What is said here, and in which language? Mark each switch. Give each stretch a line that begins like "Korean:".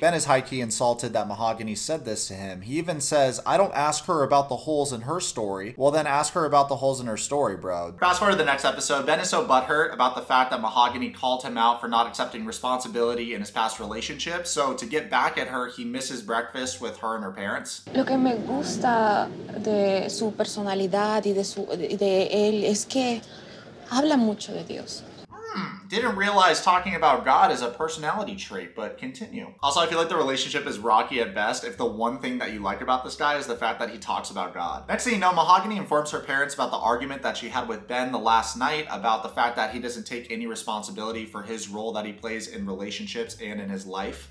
English: Ben is high-key insulted that Mahogany said this to him. He even says, I don't ask her about the holes in her story. Well, then ask her about the holes in her story, bro. Fast forward to the next episode. Ben is so butthurt about the fact that Mahogany called him out for not accepting responsibility in his past relationship. So to get back at her, he misses breakfast with her and her parents.
Spanish: Lo que me gusta de su personalidad y de él es que habla mucho de Dios.
English: Didn't realize talking about God is a personality trait, but continue. Also, I feel like the relationship is rocky at best if the one thing that you like about this guy is the fact that he talks about God. Next thing you know, Mahogany informs her parents about the argument that she had with Ben the last night about the fact that he doesn't take any responsibility for his role that he plays in relationships and in his life.